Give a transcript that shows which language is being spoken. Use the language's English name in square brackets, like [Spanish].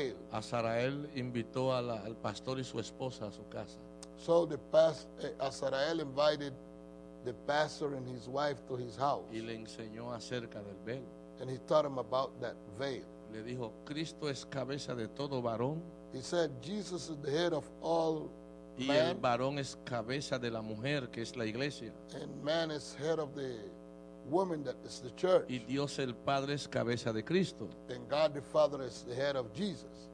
[Spanish] Azarael invitó al pastor y su esposa a su casa. [English] So the pastor Azarael invited the pastor and his wife to his house. [Spanish] Y le enseñó acerca del velo. [English] And he taught him about that veil. [Spanish] Le dijo, Cristo es cabeza de todo varón. [English] He said, Jesus is the head of all men. [Spanish] Y el varón es cabeza de la mujer, que es la iglesia. [English] And man is head of the woman that is the church. [Spanish] Y Dios el Padre es cabeza de Cristo. [English] And God the Father is the head of Jesus.